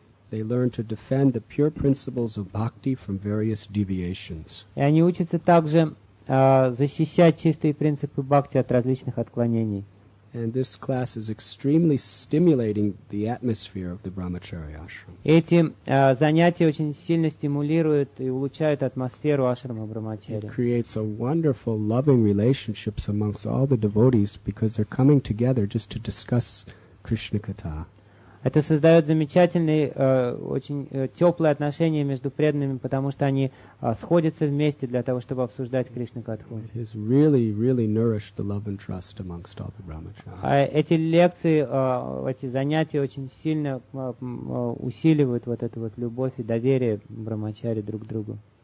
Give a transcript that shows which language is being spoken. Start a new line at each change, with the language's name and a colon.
English: they learn to defend the pure principles of bhakti from various deviations.
Russian: И они учатся также защищать чистые принципы бхакти от различных отклонений.
English: And this class is extremely stimulating the atmosphere of the Brahmacharya ashram.
Russian: Эти занятия очень сильно стимулируют и улучшают атмосферу ашрама Брахмачари.
English: It creates a wonderful loving relationships amongst all the devotees because they're coming together just to discuss Krishna Katha.
Russian: Это создает замечательные, очень теплые отношения между преданными, потому что они сходятся вместе для того, чтобы обсуждать Кришна-катху.
English: It has really, really nourished the love and trust amongst all the brahmacharis.
Russian: Эти лекции, эти занятия очень сильно усиливают вот эту вот любовь и доверие брахмачари друг к другу.